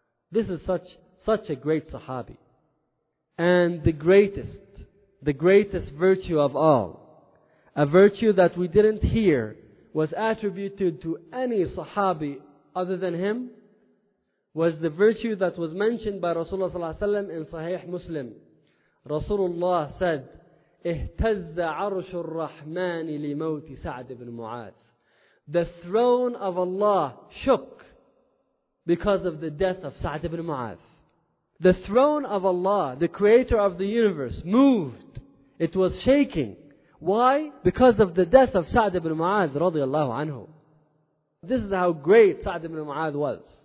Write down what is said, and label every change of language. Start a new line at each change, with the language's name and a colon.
English: This is such a great Sahabi. And the greatest virtue of all, a virtue that we didn't hear was attributed to any Sahabi other than him, was the virtue that was mentioned by Rasulullah sallallahu alaihi wasallam in Sahih Muslim. Rasulullah said,
Arabic: اهتز عرش الرحمن لموت سعد بن معاذ.
English: The throne of Allah shook because of the death of Sa'd ibn Mu'adh. The throne of Allah, the creator of the universe, moved. It was shaking. Why? Because of the death of Sa'd ibn Mu'adh radiallahu anhu. This is how great Sa'd ibn Mu'adh was.